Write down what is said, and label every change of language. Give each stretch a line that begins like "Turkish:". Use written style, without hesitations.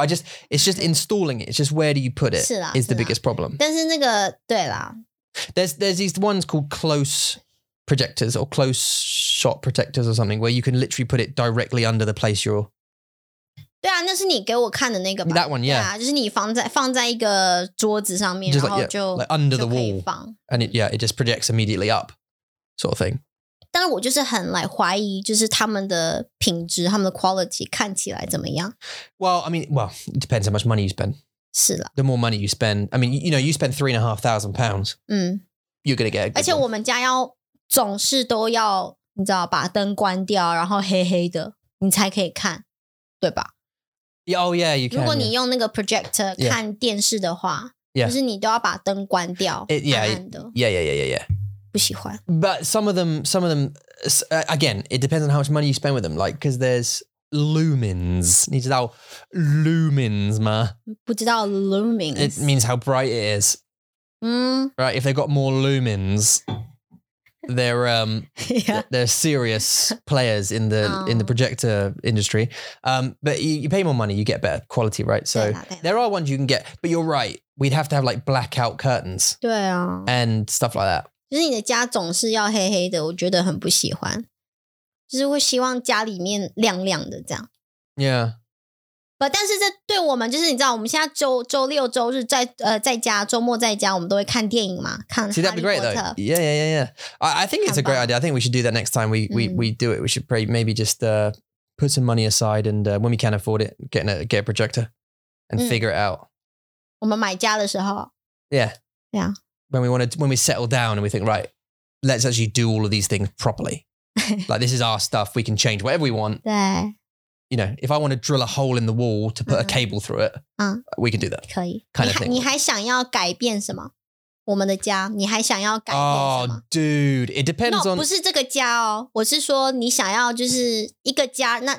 English: It's just installing it. It's just where do you put it is the biggest problem.
Chinese: 但是那个对啦
English: There's these ones called close projectors or close shot protectors or something where you can literally put it directly under the place you're...
Chinese: 对啊，那是你给我看的那个吧
English: ？That one, yeah.
Chinese: 对啊，就是你放在一个桌子上面，
English: just like,
Chinese: 然后就
English: yeah, like under the wall,
Chinese: 就可以放。
English: And it, yeah, it just projects immediately up, sort of thing.
Chinese: 但是我就是很like怀疑，就是他们的品质，他们的 quality 看起来怎么样
English: ？Well, I mean, well, it depends how much money you spend. The more money you spend, I mean, you know, you spend £3,500, you're going to get a good one.
Chinese: 而且我们家要总是都要, 你知道, 把灯关掉, 然后黑黑的, 你才可以看, 对吧?
English: Oh yeah, you can.
Chinese: 如果你用那个projector 看电视的话,
English: yeah.
Chinese: 就是你都要把灯关掉,
English: it, yeah,
Chinese: 暗暗的,
English: yeah, yeah, yeah, yeah, yeah.
Chinese: 不喜欢。
English: But some of them, again, it depends on how much money you spend with them, like, because there's lumens.
Chinese: 你知道 lumens 吗? 不知道 lumens.
English: It means how bright it is. Mm. Right, if they've got more lumens, they're they're serious players in the in the projector industry. But you pay more money, you get better quality, right? So
Chinese: 对啦,
English: there are ones you can get, but you're right. We'd have to have like blackout curtains.
Chinese: 对啊,
English: and stuff like that.
Chinese: 就是你的家总是要黑黑的, 我觉得很不喜欢。就是会希望家里面亮亮的这样。
English: Yeah.
Chinese: But 但是这对我们就是你知道我们现在周六周日在家周末在家 我们都会看电影嘛, 看
English: See, that'd be great though. Yeah, yeah, yeah, yeah. I think it's a great idea. I think we should do that next time we do it. We should pray, maybe just put some money aside and when we can afford it, get a projector and figure it out.
Chinese: 我们买家的时候。
English: Yeah. Yeah. When we settle down and we think, right, let's actually do all of these things properly. Like, this is our stuff. We can change whatever we want. You know, if I want to drill a hole in the wall to put a cable through it, we can do that.
Chinese: 可以.
English: Kind of thing.
Chinese: 你还想要改变什么? 我们的家, 你还想要改变什么?
English: Oh, dude, it depends on...
Chinese: 不是这个家哦, 我是说你想要就是一个家, 那